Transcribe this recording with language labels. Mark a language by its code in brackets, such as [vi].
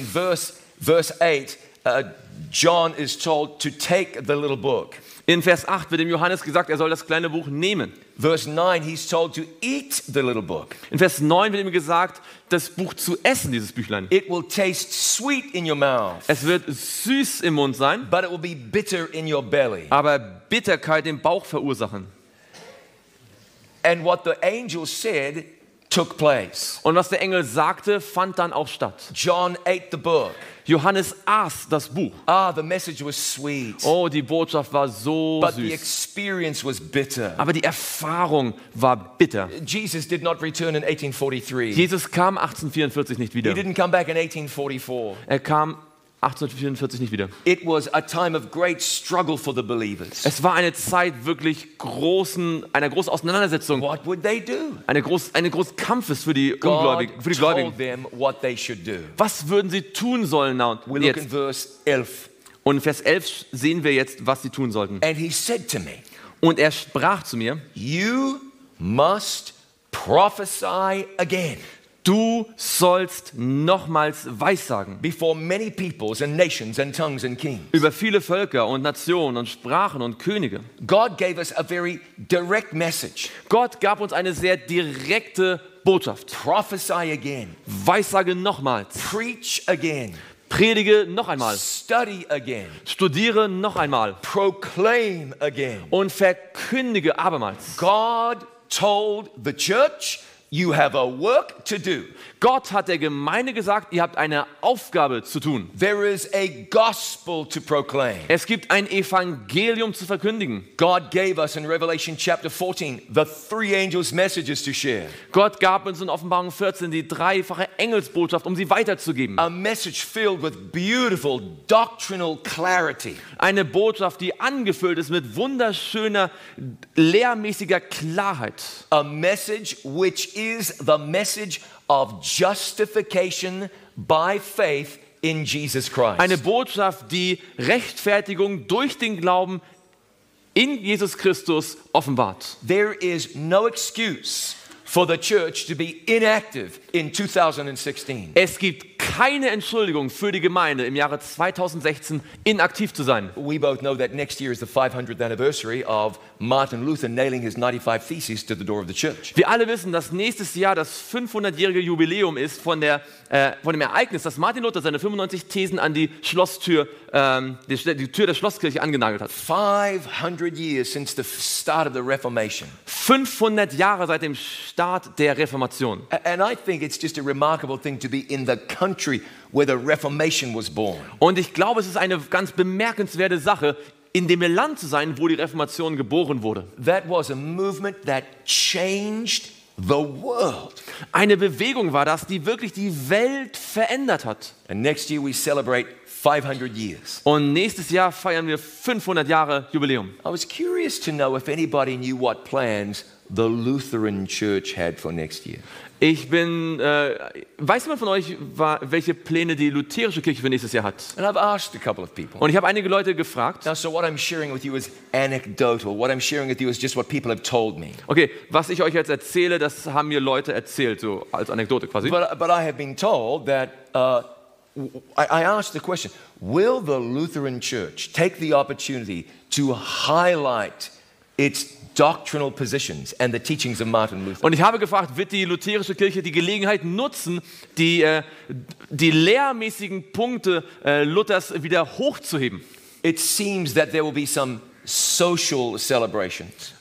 [en] In verse 8, John is told to take the little book. [de] In Vers 8 wird dem Johannes gesagt, er soll das kleine Buch nehmen. [en] Verse 9, he's told to eat the little book. [de] In Vers 9 wird ihm gesagt, das Buch zu essen, dieses Büchlein. [en] It will taste sweet in your mouth. [de] Es wird süß im Mund sein. [en] But it will be bitter in your belly. [de] Aber Bitterkeit im Bauch verursachen. [en] And what the angel said took place. [de] Und was der Engel sagte, fand dann auch statt. [en] John ate the book. [de] Johannes aß das Buch. [en] Ah, the message was sweet. [de] Oh, die Botschaft war so [en] but [de] süß. [en] The experience was bitter. [de] Aber die Erfahrung war bitter. [en] Jesus did not return in 1843. [de] Jesus kam 1844 nicht wieder. [en] He didn't come back in 1844. [de] Er kam 1844 nicht wieder. [en] It was a time of great struggle for the believers. [de] Es war eine Zeit wirklich einer großen Auseinandersetzung. [en] What would they do? [de] Eine große Kampfes für die Ungläubigen, für die Gläubigen. [en] God told them what they should do. [de] Was würden sie tun sollen [en] now? We look in verse 11. [de] Und in Vers 11 sehen wir jetzt, was sie tun sollten. [en] And he said to me. [de] Und er sprach zu mir. [en] You must prophesy again. [de] Du sollst nochmals weissagen. [en] Before many peoples and nations and tongues and kings. [de] Über viele Völker und Nationen und Sprachen und Könige. [en] God gave us a very direct message. [de] Gott gab uns eine sehr direkte Botschaft. [en] Prophesy again. [de] Weissage nochmals. [en] Preach again. [de] Predige noch einmal. [en] Study again. [de] Studiere noch einmal. [en] Proclaim again. [de] Und verkündige abermals. [en] God told the church, you have a work to do. [de] Gott hat der Gemeinde gesagt, ihr habt eine Aufgabe zu tun. [en] There is a gospel to proclaim. [de] Es gibt ein Evangelium zu verkündigen. [en] God gave us in Revelation chapter 14 the three angels' messages to share. [de] Gott gab uns in Offenbarung 14 die dreifache Engelsbotschaft, um sie weiterzugeben. [en] A message filled with beautiful doctrinal clarity. [de] Eine Botschaft, die angefüllt ist mit wunderschöner lehrmäßiger Klarheit. [en] A message which is the message of justification by faith in Jesus Christ. [de] Eine Botschaft, die Rechtfertigung durch den Glauben in Jesus Christus offenbart. [en] There is no excuse for the church to be inactive in 2016. [de] Es gibt keine Entschuldigung für die Gemeinde im Jahre 2016 inaktiv zu sein. [en] We both know that next year is the 500th anniversary of Martin Luther nailing his 95 theses to the door of the church. [de] Wir alle wissen, dass nächstes Jahr das 500-jährige Jubiläum ist von der von dem Ereignis, dass Martin Luther seine 95 Thesen an die Schlosstür die Tür der Schlosskirche angenagelt hat. [en] 500 years since the start of the Reformation. [de] 500 Jahre seit dem Start der Reformation. [en] And I think it's just a remarkable thing to be in the country where the Reformation was born. [de] Und ich glaube, es ist eine ganz bemerkenswerte Sache, in dem Land zu sein, wo die Reformation geboren wurde. [en] That was a movement that changed the world. [de] Eine Bewegung war das, die wirklich die Welt verändert hat. [en] And next year we celebrate 500 years. [de] Und nächstes Jahr feiern wir 500 Jahre Jubiläum. [en] I was curious to know if anybody knew what plans the Lutheran Church had for next year. [de] Ich bin weiß jemand von euch, welche Pläne die lutherische Kirche für nächstes Jahr hat? [en] And I've asked a couple of people. [de] Und ich habe einige Leute gefragt. [en] Now, so what I'm sharing with you is anecdotal. What I'm sharing with you is just what people have told me. [de] Okay, was ich euch jetzt erzähle, das haben mir Leute erzählt, so als Anekdote quasi. [en] But I have been told that I asked the question, will the Lutheran Church take the opportunity to highlight its doctrinal positions and the teachings of Martin Luther? [de] Und ich habe gefragt, wird die lutherische Kirche die Gelegenheit nutzen, die lehrmäßigen Punkte Luthers wieder hochzuheben? [en] It seems that there will be some social celebrations.